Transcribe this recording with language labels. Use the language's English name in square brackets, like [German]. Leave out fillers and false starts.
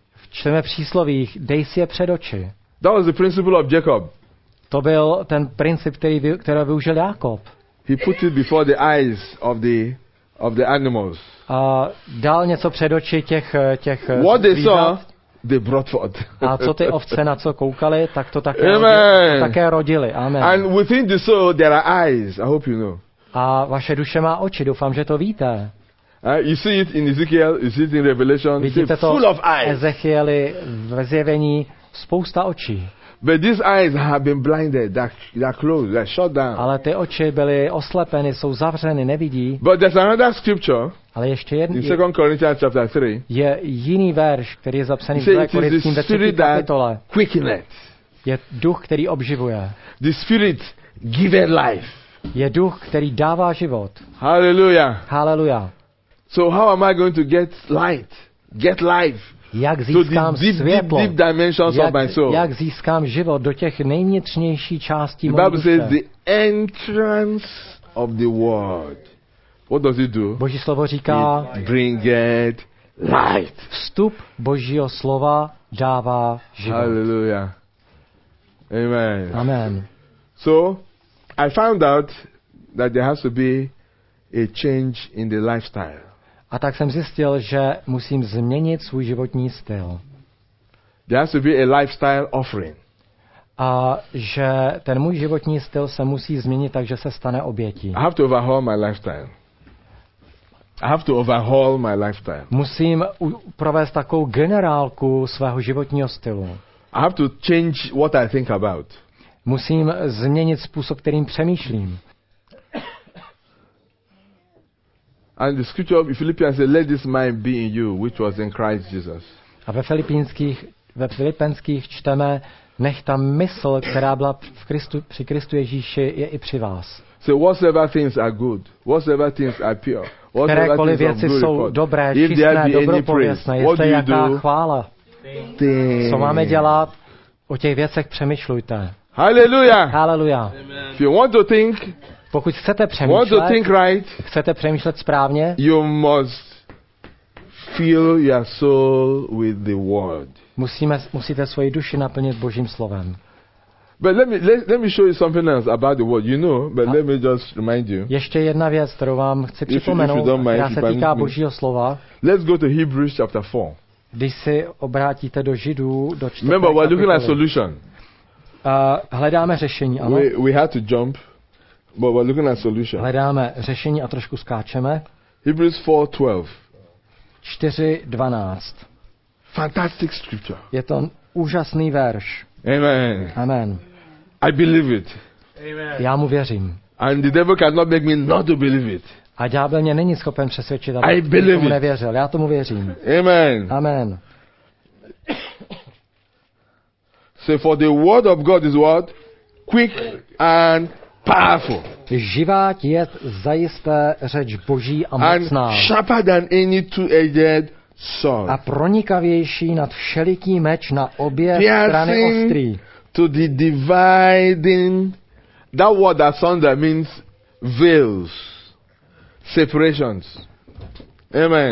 [Czech] Čteme příslovích, dej si je před oči. [English] That was the principle of Jacob. [Czech] To byl ten princip, který využil Jakob. [English] He put it before the eyes of the animals. [Czech] A dal něco před oči těch [English] what they saw, they brought forth. [Czech] A co ty ovce na co koukali, tak to také [English] amen. [Czech] Také rodili. Amen. [English] And within the soul there are eyes. I hope you know. [Czech] A vaše duše má oči, doufám, že to víte. [English] You see it in Ezekiel, you see it in Revelation, [Czech] vidíte to [English] full of eyes. [Czech] Ezechieli ve zjevení spousta očí. [English] But these eyes have been blinded, they're closed, they're shut down. [Czech] Ale ty oči byly oslepeny, jsou zavřeny, nevidí. [English] But there's another scripture. [Czech] Ale ještě jedno. [English] In 2 Corinthians chapter 3. [Czech] Je jiný verš, který je zapsaný v 2. Korintským ve 3. kapitole. [English] Quickened. [Czech] Je duch, který obživuje. [English] The spirit giveth life. [Czech] Je duch, který dává život. Hallelujah. Hallelujah. [English] So how am I going to get light? Get life. [Czech] Jak získám světlo? [English] Deep dimensions of my soul. [Czech] Jak získám život do těch nejvnitřnější části mojí duše? [English] Says the entrance of the word. What does it do? [Czech] Boží slovo říká, [English] it bringeth light. [Czech] Vstup Božího slova dává život. Hallelujah. Amen. Amen. [English] So, I found out that there has to be a change in the lifestyle. [Czech] A tak jsem zjistil, že musím změnit svůj životní styl. [English] There has to be a lifestyle offering. [Czech] A že ten můj životní styl se musí změnit tak, že se stane obětí. [English] I have to overhaul my lifestyle. I have to overhaul my lifestyle. [Czech] Musím provést takovou generálku svého životního stylu. [English] I have to change what I think about. [Czech] Musím změnit způsob, kterým přemýšlím. [English] And the scripture of Philippians says, "Let this mind be in you, which was in Christ Jesus." [Czech] A ve Filipenských čteme, nech ta mysl, která byla v Kristu, při Kristu Ježíši, je i při vás. [English] So whatsoever things are good, whatsoever things are pure, whatsoever things are glorious, whatever things [Czech] jsou dobré, čisté, dobropověstné, jestli jaká chvála, co máme dělat, o těch věcech přemýšlujte. Hallelujah. Hallelujah. [English] If you want to think. [Czech] Pokud chcete přemýšlet, [English] right, [Czech] chcete přemýšlet správně, [English] you must fill your soul with the word. [Czech] Musíte svoji duši naplnit Božím slovem. [English] But let me show you something else about the word. You know, but let me just remind you. [Czech] Ještě jedna věc, kterou vám chci připomenout, která se týká Božího slova. [English] Let's go to Hebrews chapter 4. [Czech] Když se obrátíte do Židů, do 4. [English] Remember, we're looking at solution. [Czech] Hledáme řešení, ano. [English] We had to jump. But we're looking at solution. [Czech] Hledáme řešení a trošku skáčeme. [English] Hebrews 4:12. Fantastic scripture. [Czech] Je to úžasný verš. Amen. Amen. [English] I believe it. Amen. [Czech] Já mu věřím. [English] And the devil cannot make me not to believe it. [Czech] A ďábel mě není schopen přesvědčit, aby tomu nevěřil. Já tomu věřím. Amen. Amen. [English] So for the word of God is what? Quick and powerful. [Czech] Živá je zajisté řeč Boží a mocná. [English] And sharper than any two-edged sword. [Czech] A pronikavější nad všeliký meč na obě strany ostrý. [English] To the dividing. That word asunder means veils, separations. Amen.